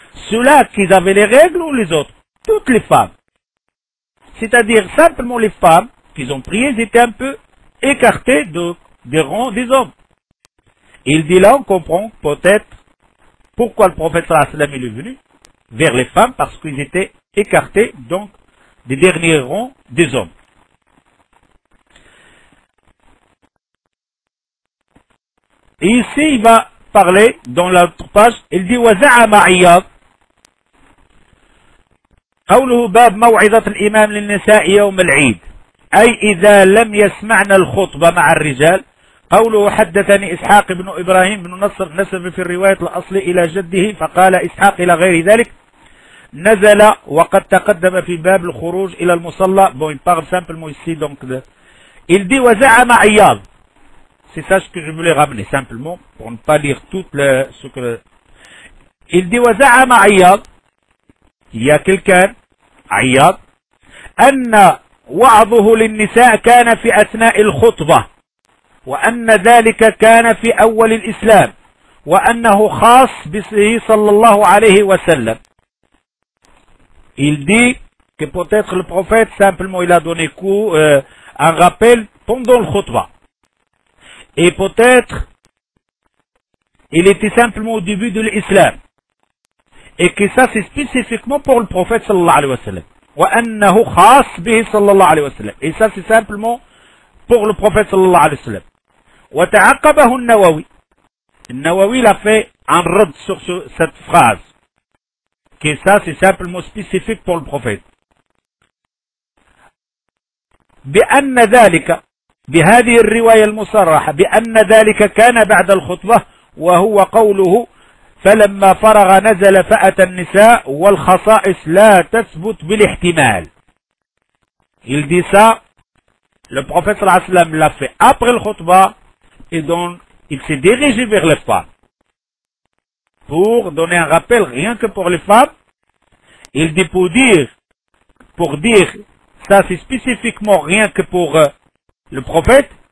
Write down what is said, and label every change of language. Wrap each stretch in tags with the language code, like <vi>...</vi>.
<fr>Ceux-là qui avaient les règles ou les autres? Toutes les femmes. C'est-à-dire, simplement les femmes qui ont prié, elles étaient un peu écartées des rangs des hommes. Et il dit là, on comprend peut-être pourquoi le prophète sallallahu alayhi wa sallam est venu vers les femmes, parce qu'ils étaient écartés, donc, des derniers rangs des hommes. Et ici, il va parler dans l'autre page, il dit</fr> <ar>« Waza'ama Iyad » قوله باب موعظة الإمام للنساء يوم العيد أي إذا لم يسمعنا الخطبة مع الرجال قوله حدثني إسحاق بن إبراهيم بن نصر نسب في الرواية الأصلي إلى جده فقال إسحاق إلى غير ذلك نزل وقد تقدم في باب الخروج إلى المصلى</ar> <fr>بوين بار سامبل مويسي دونك ده il dit</fr> <ar>وزعم عياض</ar> <fr>c'est ça ce que je voulais ramener simplement pour ne pas lire tout ce que il dit</fr> <ar>وزعم عياض</ar> <fr>Il y a quelqu'un, Ayyad, anna</fr> <ar>وعظه للنساء كان في أثناء الخطبة، وأن ذلك كان في أول الإسلام، وأنه خاص به صلى الله عليه وسلم.</ar> <fr>Il dit que peut-être le prophète simplement il a donné un rappel pendant le khutba. Et peut-être il était simplement au début de l'islam. Et que ça c'est spécifiquement pour le prophète sallallahu alayhi wa sallam.</fr> <ar>وأنه خاص به صلى الله عليه وسلم.</ar> <fr>Et ça c'est simplement pour le prophète sallallahu alayhi wa sallam.</fr> <ar>وتعقبه النووي.</ar> <fr>النووي l'a fait un rad sur cette phrase. Que ça c'est simplement spécifique pour le prophète.</fr> <ar>بأن ذلك بهذه الرواية المصرحة بأن ذلك كان بعد الخطبة وهو قوله فلما فرغ نزل فأتى النساء والخصائص لا تثبت بالاحتمال.</ar> <fr>Il dit ça, le prophète</fr> <ar>صلى الله عليه وسلم</ar> <fr>l'a fait après le khutba et donc il s'est dirigé vers les femmes pour donner un rappel rien que pour les femmes. Il dit pour dire ça c'est spécifiquement rien que pour le prophète.</fr>